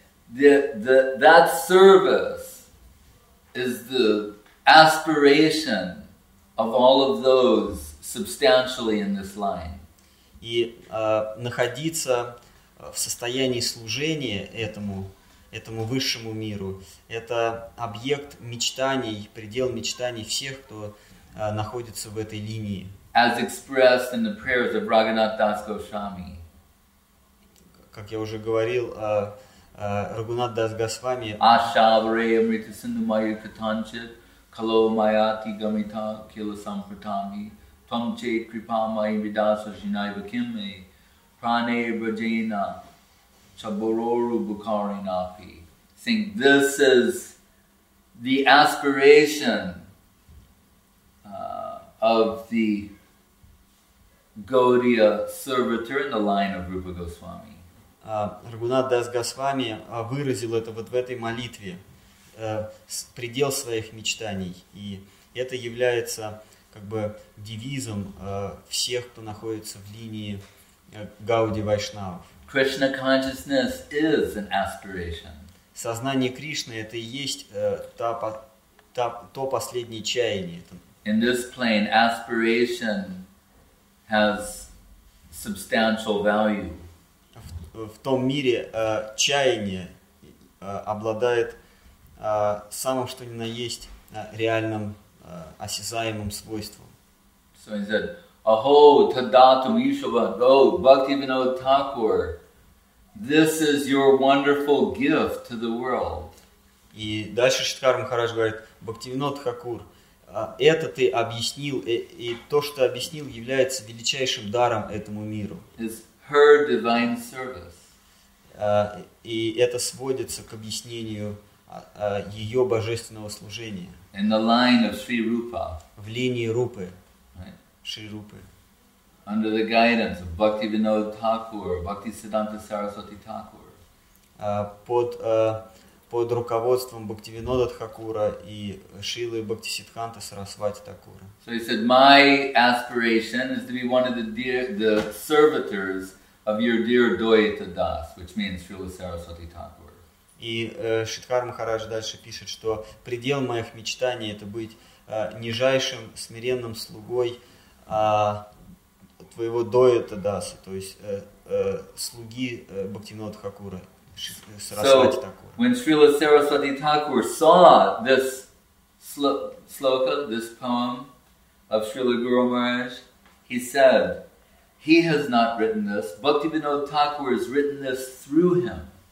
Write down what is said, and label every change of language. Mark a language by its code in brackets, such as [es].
[en] That service is the aspiration of all of those substantially in this line. [ru] И находиться в состоянии служения этому высшему миру, это объект мечтаний, предел мечтаний всех, кто находится в этой линии. [en] As expressed in the prayers of Raghunath Das Goswami. [ru] Как я уже говорил, Рагунат Дас Госвами. [sa] Ашаврея мритасинду майю катанчит, кало майати гамита кило сампратами, твам че крипа майи видаса жинай вакимми, пране браджена, Chabororu Bukhari Napi. [en] Saying, this is the aspiration of the Gaudiya servitor in the line of Rupa Goswami. [ru] Рагунат Дас Госвами выразил это вот в этой молитве, предел своих мечтаний. И это является как бы девизом всех, кто находится в линии Гауди Вайшнавов. [en] Krishna consciousness is an aspiration. [ru] Сознание Кришны – это и есть то последнее чаяние. [en] In this plane, aspiration has substantial value. [ru] В том мире чаяние обладает самым что ни на есть реальным осязаемым свойством. [en] So he said, [sa] Aho, Tadatum, Ishava, Go, [en] Bhakti Vinod Thakur, This is your wonderful gift to the world. [ru] И дальше Шридхар Махарадж говорит, Бхактивинод Хакур, это ты объяснил, и то, что объяснил, является величайшим даром этому миру. [en] It's her divine service. [ru] И это сводится к объяснению ее божественного служения. [en] In the line of Sri Rupa. [ru] В линии Рупы. Right. Шри Рупы. [en] Under the guidance of Bhaktivinoda Thakur, Bhaktisiddhanta Saraswati Thakur. [ru] Под руководством Бхактивинода Тхакура и Шилы Бхактисиддханта Сарасвати Такура. [en] So he said, my aspiration is to be one of the servitors of your dear Dvaita Das, which means Srila Saraswati Thakur. [ru] И Шридхар Махарадж дальше пишет, что предел моих мечтаний это быть нижайшим смиренным слугой твоего Дойта Даса, то есть слуги Бхактивинода Тхакура. [en] So, when Srila Saraswati Thakur saw this sloka, this poem of Srila Guru Maharaj, he said, he has not written this, Bhaktivinoda Thakur has written this through him.